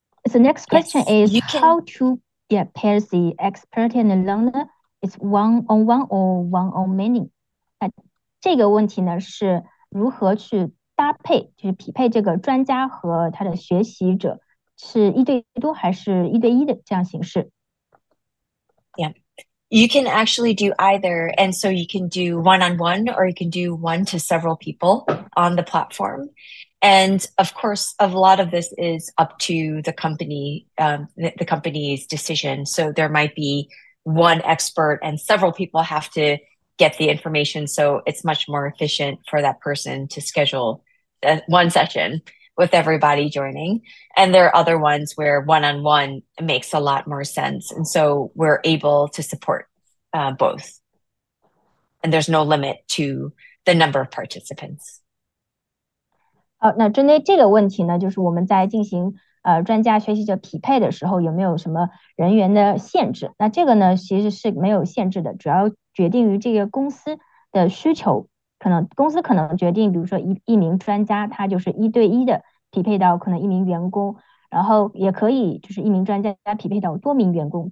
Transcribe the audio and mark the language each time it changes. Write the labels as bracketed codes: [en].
[en] The next question is how to pair the expert and the learner is one-on-one or one-on-many. [zh] 这个问题呢，是如何去搭配，就是匹配这个专家和他的学习者，是一对多还是一对一的这样形式？ [en] You can actually do either. And so you can do one-on-one or you can do one to several people on the platform. And of course, a lot of this is up to the company, the company's decision. So there might be one expert and several people have to get the information. So it's much more efficient for that person to schedule one session with everybody joining. And there are other ones where one-on-one makes a lot more sense. And so we're able to support both. And there's no limit to the number of participants. [zh] 好，那针对这个问题呢，就是我们在进行专家学习者匹配的时候，有没有什么人员的限制？那这个呢，其实是没有限制的，主要决定于这个公司的需求。可能公司可能决定，比如说一名专家，他就是一对一的匹配到可能一名员工，然后也可以就是一名专家匹配到多名员工。